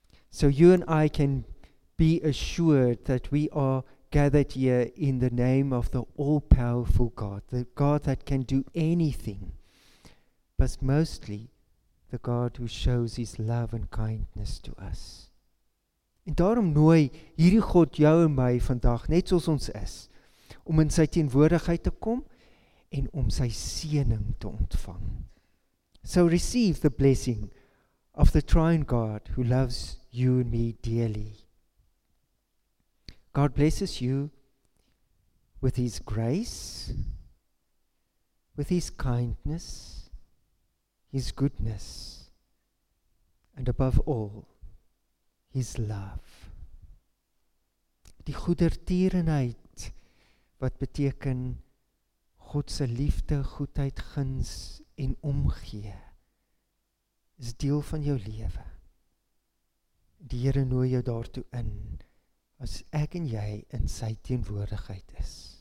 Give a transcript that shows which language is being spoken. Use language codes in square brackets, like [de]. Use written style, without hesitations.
[en] So you and I can be assured that we are gathered here in the name of the all-powerful God, the God that can do anything, but mostly the God who shows His love and kindness to us. [af] En daarom nooi hierdie God jou en my vandag, net soos ons is, om in sy teenwoordigheid te kom en om sy seëning te ontvang. [en] So receive the blessing of the triune God who loves you and me dearly. God blesses you with His grace, with His kindness, His goodness, and above all, His love. [af] Die goedertierenheid, wat beteken God se liefde, goedheid, guns en omgee, is deel van jou lewe. Die Here nooi jou daartoe in, as ek en jy in sy teenwoordigheid is.